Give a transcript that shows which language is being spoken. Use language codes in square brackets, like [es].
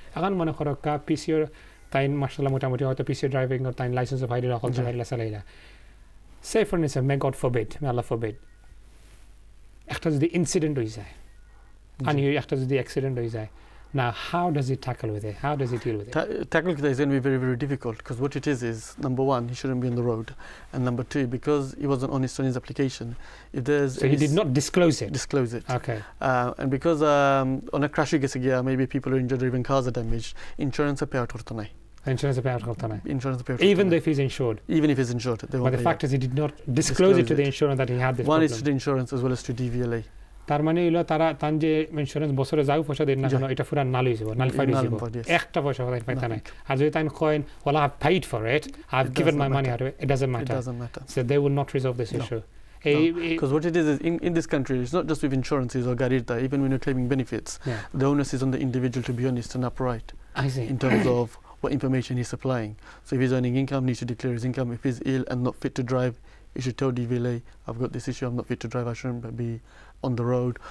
[bn] এখন মনে করো পিসিওর তাই মাশাআল্লাহ মোটামুটি হয়তো পিসিও ড্রাইভিং তাই লাইসেন্সের বাইরে রকম চালাইলা চালাইলা, সেফ অন্য [en] may God forbid, [bn] মে আল্লাহ ফরবিড, একটা যদি ইনসিডেন্ট হয়ে যায় আনি একটা যদি অ্যাক্সিডেন্ট হয়ে যায়, [en] now how does it tackle with it, [bn] how does it deal with it? [en] Tackle with it is going to be very very difficult, because what it is number one, he shouldn't be on the road, and number two, because he wasn't honest on his application, if there's so he did not disclose it okay, and because on a crash you get again, maybe people are injured or even cars are damaged, insurance appear tortonai even if he's insured, even if he's insured, but the fact is he did not disclose it to the insurance that he had this one is to the insurance as well as to DVLA. [bn] তার মানে হইলো তারা তান যে insurance বছরে যাও পয়সা দিন না কেন, এটা পুরা নাল হয়ে যাব, নালিফাই হয়ে যাব, একটা পয়সা কোথায় পাইতে নাই। আর যদি তাই coin [en] Well I have paid for it, I have given my money, আর it doesn't matter, so they will not resolve this issue. Because what it is in this country, it's not just with insurances or garita, even when you're claiming benefits, the onus is on the individual to be honest and upright. I see. In terms of what information he's supplying. So if he's earning income, he needs to declare his income. If he's ill and not fit to drive, he should tell DVLA, I've got this issue, I'm not fit to drive, I shouldn't be on the road.